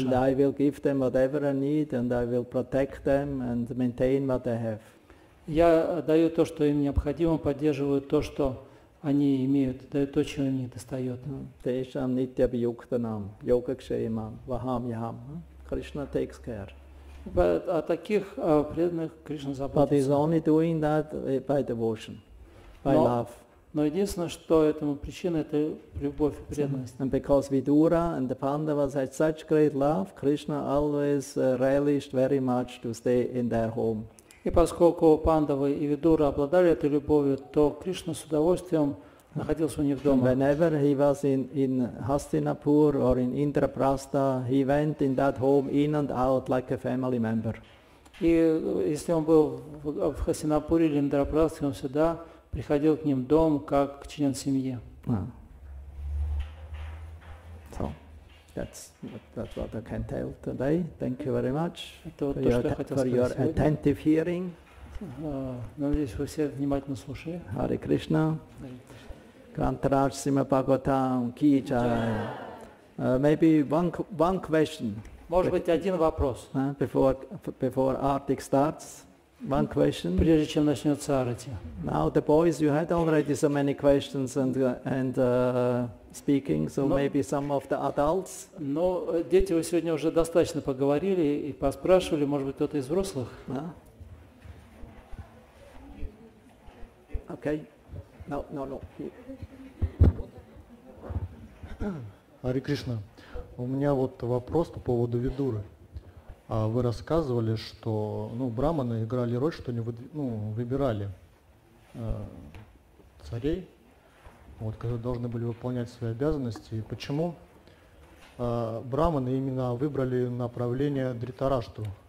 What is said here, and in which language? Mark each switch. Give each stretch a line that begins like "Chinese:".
English: And I will give them whatever I need, and I will protect them and maintain what they have.
Russian: Я даю то, что им необходимо, поддерживаю то, что они имеют, даю то, чего им не достает.
Sanskrit: Тешам нитья бьюктанам, йога кшеймам, вахам яхам.
English: Krishna takes care.
Russian: О таких преданных Кришна заботится.
English: But he's only doing that by devotion, by love.
Russian: Но единственное, что этому причина, это любовь и преданность.
English: And because Vidura and the Pandavas had such great love, Krishna always relished very much to stay in their home.
Russian: И поскольку Пандавы и Видура обладали этой любовью, то Кришна с удовольствием находился у них дома.
English: Whenever he was in Hastinapur or in Indraprastha, he went in that home in and out like a family member.
Russian: И если он был в Хастинапуре или Индрапрасте, он всегда приходил к ним в дом как к член семьи.
English: So that's what I can tell today. Thank you very much for your attentive hearing.
Russian: Надеюсь, вы все внимательно слушали.
Hindi: Hare Krishna. Grantaraj Srimad Bhagavatam Ki Jai.
English: Maybe one question.
Russian: Может быть, один вопрос.
English: Before Artic starts, one question.
Russian: Прежде чем начнется Арати.
English: Now the boys, you had already so many questions and speaking, so maybe some of the adults.
Russian: Но дети, вы сегодня уже достаточно поговорили и поспрашивали, может быть, кто-то из взрослых.
English: Okay. No. Hare Krishna.
Russian: У меня вот вопрос по поводу Видуры. А вы рассказывали, что браманы играли роль, что они выбирали царей, вот, которые должны были выполнять свои обязанности. И почему браманы именно выбрали направление Дритараштру?